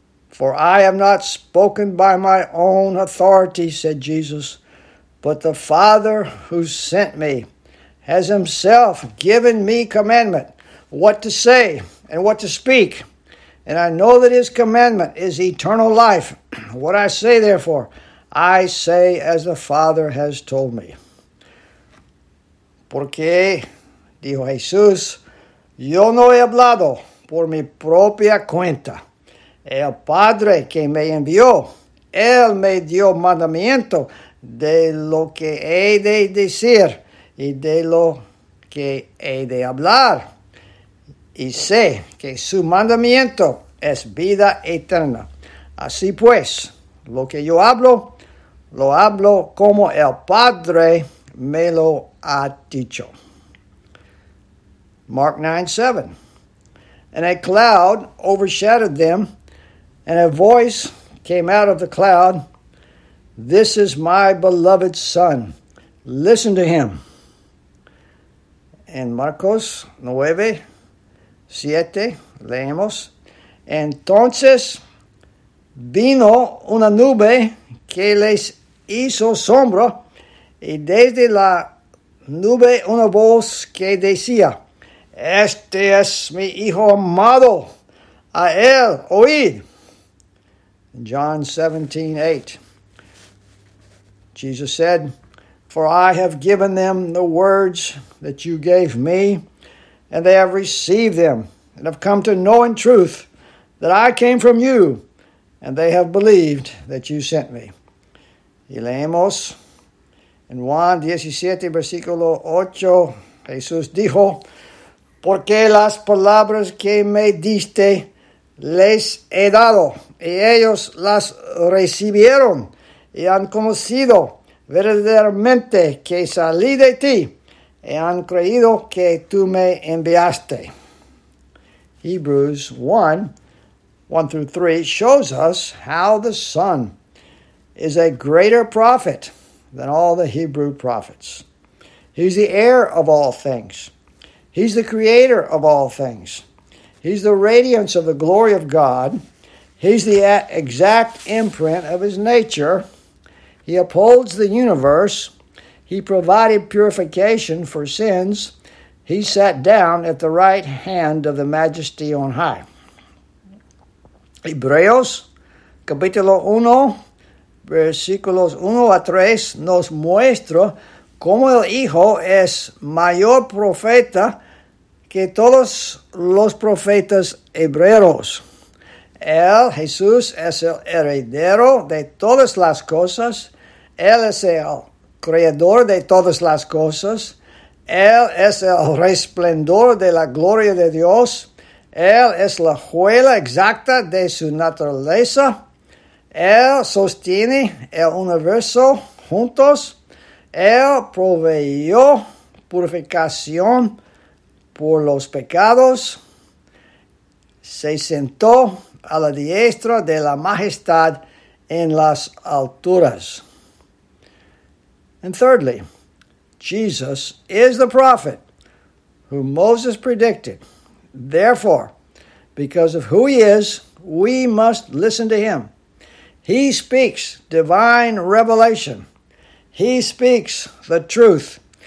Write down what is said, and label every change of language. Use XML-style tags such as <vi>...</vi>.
<en>For I have not spoken by my own authority, said Jesus, but the Father who sent me has himself given me commandment what to say and what to speak. And I know that his commandment is eternal life. What I say, therefore, I say as the Father has told me.</en> <es>Porque, dijo Jesús, yo no he hablado por mi propia cuenta. El Padre que me envió, él me dio mandamiento de lo que he de decir y de lo que he de hablar. Y sé que su mandamiento es vida eterna. Así pues, lo que yo hablo, lo hablo como el Padre me lo ha dicho.</es> <en>Mark 9:7. And a cloud overshadowed them, and a voice came out of the cloud, this is my beloved Son, listen to him.</en> <es>En Marcos 9:7, leemos, entonces vino una nube que les hizo sombra, y desde la nube una voz que decía, este es mi Hijo amado, a él oíd.</es> <en>John 17:8. Jesus said, for I have given them the words that you gave me, and they have received them, and have come to know in truth that I came from you, and they have believed that you sent me.</en> <es>Y leemos en Juan 17:8, Jesús dijo, porque las palabras que me diste les he dado, y ellos las recibieron, y han conocido verdaderamente que salí de ti, y han creído que tú me enviaste. Hebrews 1,</es> <en>1 through 3 shows us how the Son is a greater prophet than all the Hebrew prophets. He's the heir of all things. He's the creator of all things. He's the radiance of the glory of God. He's the exact imprint of his nature. He upholds the universe. He provided purification for sins. He sat down at the right hand of the majesty on high.</en> <es>Hebreos, capítulo 1, versículos 1 a 3, nos muestra cómo el Hijo es mayor profeta que todos los profetas hebreos. Él, Jesús, es el heredero de todas las cosas. Él es el creador de todas las cosas. Él es el resplandor de la gloria de Dios. Él es la huella exacta de su naturaleza. Él sostiene el universo juntos. Él proveyó purificación por los pecados. Se sentó a la diestra de la majestad en las alturas.</es> <en>And thirdly, Jesus is the prophet whom Moses predicted. Therefore, because of who he is, we must listen to him. He speaks divine revelation. He speaks the truth.</en>